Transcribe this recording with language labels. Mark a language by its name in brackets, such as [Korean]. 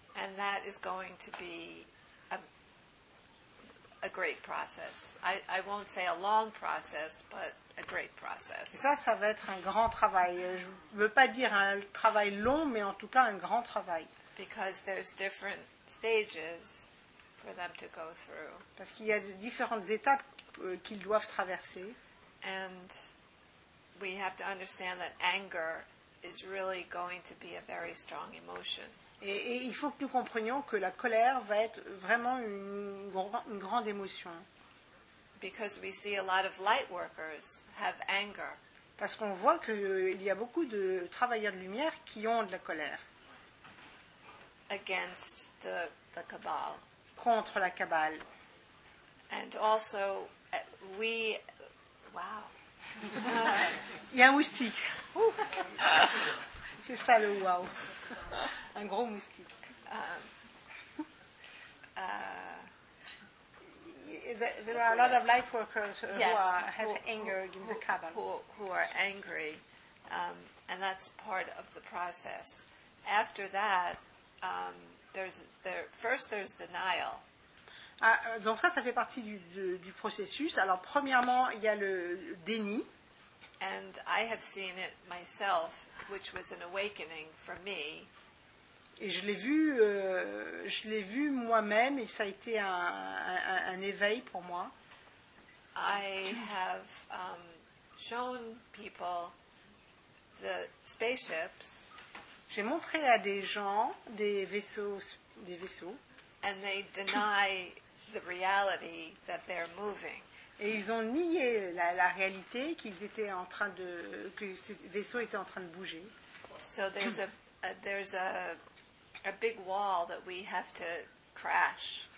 [English] And that is going to be a great process. I won't say a long process, but a great process. [French] Ça va être un grand travail. Je veux pas dire un travail long, mais en tout cas un grand travail. [English] Because there's different stages for them to go through. [French] Parce qu'il y a différentes étapes qu'ils doivent traverser. [English] And we have to understand that anger is really going to be a very strong emotion. [French] Et il faut que nous comprenions que la colère va être vraiment une grande émotion. [English] Because we see a lot of light workers have anger. [French] Parce qu'on voit qu'il y a beaucoup de travailleurs de lumière qui ont de la colère. [English] Against the cabal. [French] Contre la cabale. [English] And also, we. Wow. [French] Il y a un moustique. C'est ça le wow. Un gros moustique. [English] There are a lot of light workers who have anger against the cabal. Who are angry. and that's part of the process. After that, there's denial. [French] Donc ça fait partie du processus. Alors premièrement, il y a le déni. [English] And I have seen it myself, which was an awakening for me. [French] Et je l'ai vu moi-même et ça a été un éveil pour moi. [English] I have shown people the spaceships. [French] J'ai montré à des gens des vaisseaux. [English] And they deny the reality that they're moving. [French] Et ils ont nié la réalité qu'ils étaient en train de que ces vaisseaux étaient en train de bouger. [English] So there's a big wall that we have to crash.